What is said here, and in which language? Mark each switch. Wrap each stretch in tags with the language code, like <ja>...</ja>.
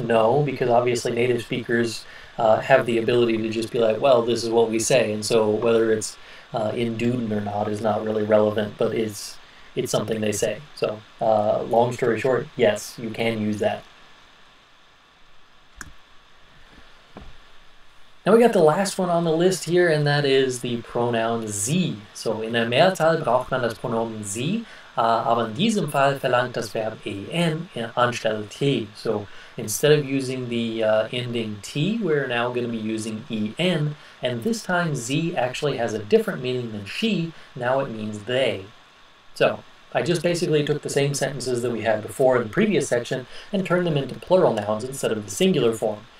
<en>No, because obviously native speakers have the ability to just be like, well, this is what we say, and so whether it's in Duden or not is not really relevant, but it's something they say. So, long story short, yes, you can use that. Now we got the last one on the list here, and that is the pronoun sie.</en> <de>So in der Mehrzahl braucht man das Pronomen sie, aber in diesem Fall verlangt das Verb en anstelle t.</de> <en>So instead of using the ending t, we're now going to be using en, and this time sie actually has a different meaning than she. Now it means they. So I just basically took the same sentences that we had before in the previous section and turned them into plural nouns instead of the singular form.</en>